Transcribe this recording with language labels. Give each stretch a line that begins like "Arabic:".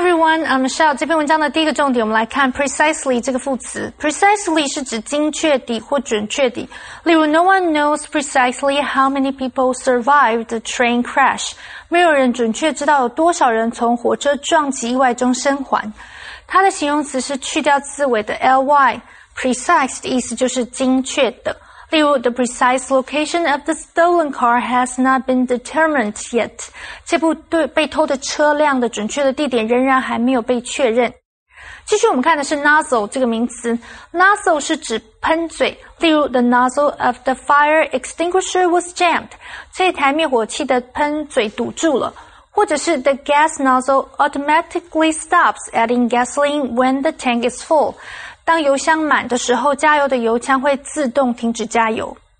English: I'm Michelle.
Chinese: 这篇文章的第一个重点，我们来看 precisely 这个副词。 Precisely 是指精确的或准确的。例如
English: ，No one knows precisely how many people survived the train crash.
Chinese: 没有人准确知道有多少人从火车撞击意外中生还。它的形容词是去掉字尾的 ly。 Precise 的意思就是精确的。例如
English: ，The precise location of the stolen car has not been determined yet.
Chinese: 这部对被偷的车辆的准确的地点仍然还没有被确认。继续我们看的是 nozzle 这个名词。Nozzle 是指喷嘴。例如
English: ，The nozzle of the fire extinguisher was jammed.
Chinese: 这台灭火器的喷嘴堵住了。或者是
English: ，The gas nozzle automatically stops adding gasoline when the tank is full.
Chinese: 当油箱满的时候，加油的油枪会自动停止加油。